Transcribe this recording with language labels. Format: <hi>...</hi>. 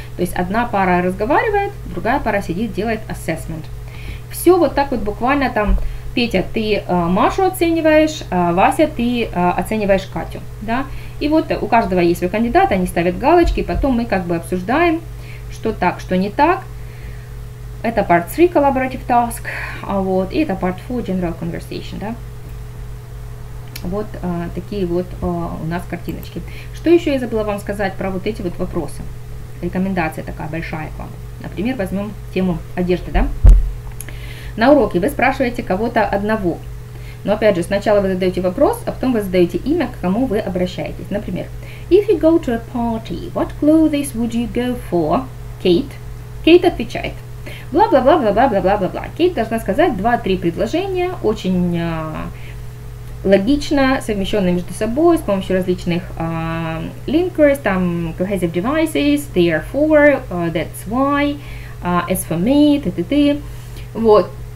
<ru>То есть одна пара разговаривает, другая пара сидит, делает assessment. Все вот так вот буквально там. Петя, ты Машу оцениваешь, Вася, ты оцениваешь Катю, да? И вот у каждого есть свой кандидат, они ставят галочки, потом мы как бы обсуждаем, что так, что не так. Это</ru> <en>part 3 collaborative task,</en> <ru>вот, и это</ru> <en>part 4 general conversation,</en> <ru>да? Вот такие вот у нас картиночки. Что еще я забыла вам сказать про вот эти вот вопросы? Рекомендация такая большая к вам. Например, возьмем тему одежды, да? На уроке вы спрашиваете кого-то одного. Но опять же, сначала вы задаете вопрос, а потом вы задаете имя, к кому вы обращаетесь. Например,</ru> <en>if you go to a party, what clothes would you go for? Kate.</en> <ru>Kate отвечает. Бла-бла-бла-бла-бла-бла-бла-бла-бла. Kate должна сказать 2-3 предложения, очень логично, совмещенные между собой, с помощью различных linkers, там,</ru> <en>cohesive devices, therefore, that's why, as for me,</en> <ru>ты-ты-ты. Вот.</ru>